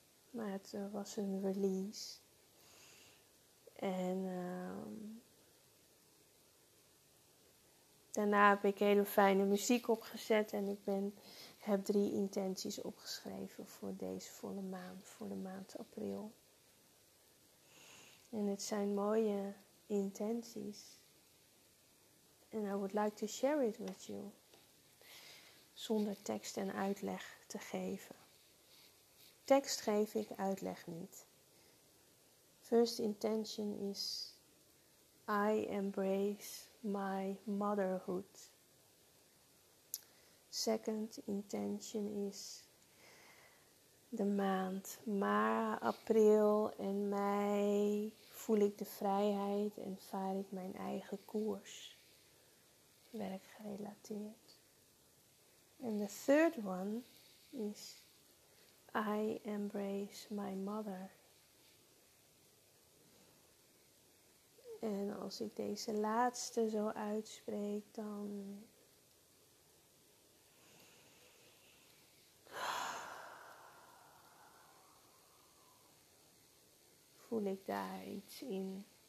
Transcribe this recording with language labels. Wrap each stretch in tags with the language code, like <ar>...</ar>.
<nl>Maar het was een release. En daarna heb ik hele fijne muziek opgezet en ik ben... Ik heb 3 intenties opgeschreven voor deze volle maan, voor de maand april. En het zijn mooie intenties.</nl> <en>And I would like to share it with you.</en> <nl>Zonder tekst en uitleg te geven. Tekst geef ik, uitleg niet.</nl> <en>First intention is, I embrace my motherhood. Second intention is</en> <nl>de maand maart, april en mei voel ik de vrijheid en vaar ik mijn eigen koers, werkgerelateerd.</nl> <en>And the third one is I embrace my mother.</en> <nl>En als ik deze laatste zo uitspreek, dan... Voel ik daar iets in?</nl>